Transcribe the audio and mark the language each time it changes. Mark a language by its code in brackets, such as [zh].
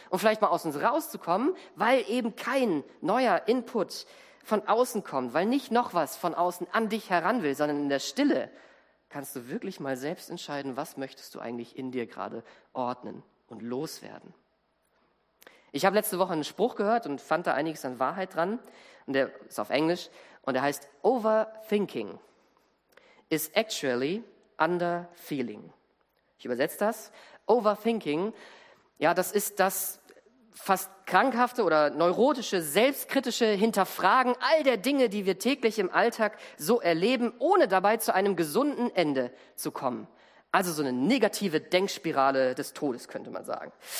[de] Und vielleicht mal aus uns rauszukommen, weil eben kein neuer Input von außen kommt, weil nicht noch was von außen an dich heran will, sondern in der Stille kannst du wirklich mal selbst entscheiden, was möchtest du eigentlich in dir gerade ordnen und loswerden. Ich habe letzte Woche einen Spruch gehört und fand da einiges an Wahrheit dran. Und der ist auf Englisch und der heißt Overthinking. [en] Is actually under feeling. [de] Ich übersetze das. Overthinking, ja, das ist das fast krankhafte oder neurotische, selbstkritische Hinterfragen all der Dinge, die wir täglich im Alltag so erleben, ohne dabei zu einem gesunden Ende zu kommen. Also so eine negative Denkspirale des Todes, könnte man sagen.